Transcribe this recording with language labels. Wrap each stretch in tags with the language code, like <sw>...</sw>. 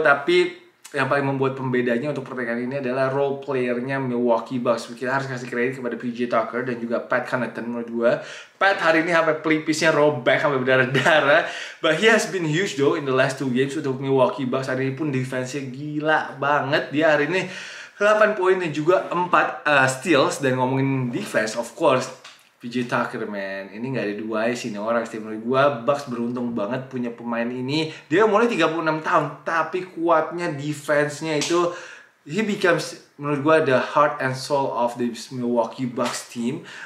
<id>Tapi yang paling membuat pembedanya untuk pertandingan ini adalah role player-nya Milwaukee Bucks. Kita harus kasih kredit kepada PJ Tucker dan juga Pat Connaughton menurut gue. Pat hari ini sampai pelipisnya robek sampai berdarah-darah.</id> <en>But he has been huge though in the last 2 games</en> <id>untuk Milwaukee Bucks. Hari ini pun defense-nya gila banget. Dia hari ini 8 poin dan juga 4 steals. Dan ngomongin defense, of course, PJ Tucker, man. Ini gak ada dua sih ini orang. Setiap menurut gue, Bucks beruntung banget punya pemain ini. Dia mulai 36 tahun, tapi kuatnya defense-nya itu,</id> <en>he becomes,</en> <id>menurut gue,</id> <en>the heart and soul of the Milwaukee Bucks team.</en>